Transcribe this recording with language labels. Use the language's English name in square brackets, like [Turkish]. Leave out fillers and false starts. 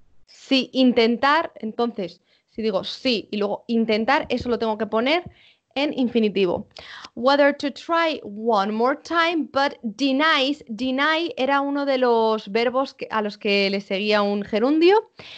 [Spanish] Si intentar, entonces, si digo sí y luego intentar, eso lo tengo que poner en infinitivo. [English] Whether to try one more time, but denies. [Spanish] Deny era uno de los verbos a los que le seguía un gerundio.